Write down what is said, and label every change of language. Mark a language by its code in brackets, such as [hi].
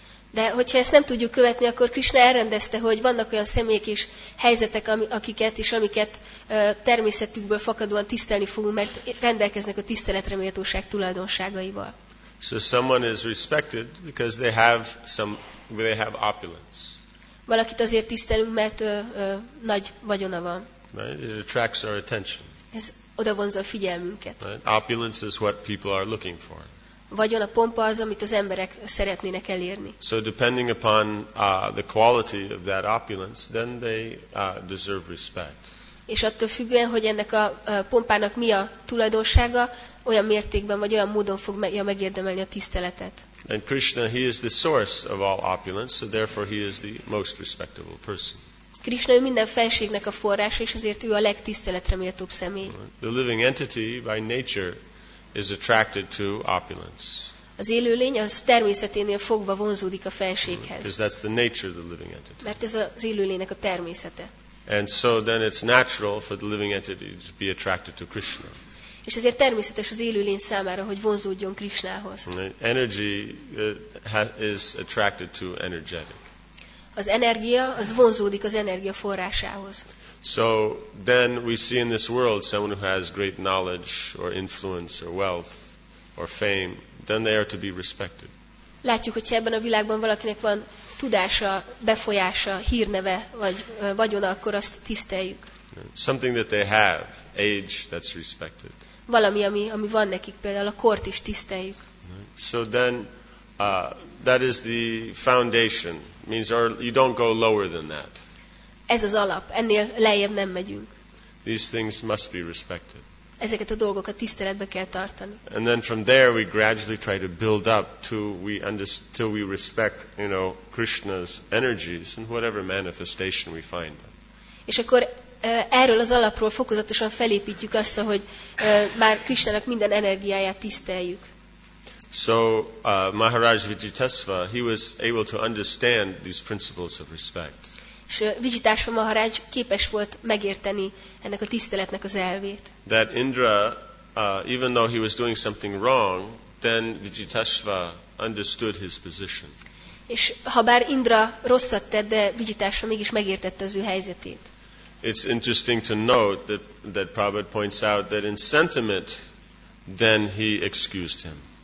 [hu] De hogyha ezt nem tudjuk követni, akkor Krishna elrendezte, hogy vannak olyan személyek és helyzetek, amiket természetükből fakadóan tisztelni fogunk, mert rendelkeznek a tiszteletreméltóság tulajdonságaival. [en] So someone is respected because they have opulence. [hu] Valakit azért tisztelünk, mert nagy vagyona van. [en] Right? It attracts our attention. [hu] Ez oda vonza a figyelmünket. [en] Right? Opulence is what people are looking for. [hu] Vagyon a pompa az, amit az emberek szeretnének elérni. [en] So depending upon the quality of that opulence, then they deserve respect. [hu] És attól függően, hogy ennek a pompának mi a tulajdonsága, olyan mértékben vagy olyan módon fogja megérdemelni a tiszteletet. [en] And Krishna, he is the source of all opulence, so therefore he is the most respectable person. [hu] Krishna minden felségnek a forrása, és ezért ő a legtiszteletreméltóbb személy. [en] The living entity by nature is attracted to opulence. [hu] Az élőlény az természeténél fogva vonzódik a fenséghez. [en] Because that's the nature of the living entity. [hu] Mert ez az élőlénynek a természete. [en] And so then it's natural for the living entity to be attracted to Krishna. [hu] És ezért természetes az élőlény számára, hogy vonzódjon Krishnához. [en] Energy is attracted to energetic. [hu] Az energia az vonzódik az energia forrásához. [en] So then we see in this world someone who has great knowledge or influence or wealth or fame, then they are to be respected. [hu] Látjuk, hogy ebben a világban valakinek van tudása, befolyása, hírneve vagy vagyona, akkor azt tiszteljük. [en] Something that they have, age, that's respected. [hu] Valami, ami van nekik, például a kort is tiszteljük. [en] So then that is the foundation. Means or you don't go lower than that. [hu] Ez az alap, ennél lejjebb nem megyünk. [en] These things must be respected. [hu] Ezeket a dolgokat tiszteletbe kell tartani. [en] And then from there we gradually try to build up to we understand till we respect, you know, Krishna's energies in whatever manifestation we find them. [hu] És akkor erről az alapról fokozatosan felépítjük azt, hogy már Krishnának minden energiáját tiszteljük. [en] So Maharaj Vijitasva, he was able to understand these principles of respect. [hu] És Vijitasva Maharaj képes volt megérteni ennek a tiszteletnek az elvét. [en] That Indra, even though he was doing something wrong, then Vijitasva understood his position. [hu] És ha bár Indra rosszat tett, de Vijitasva mégis megértette az ő helyzetét. [en] It's interesting to note that Prabhupada points out that in sentiment, then he excused him.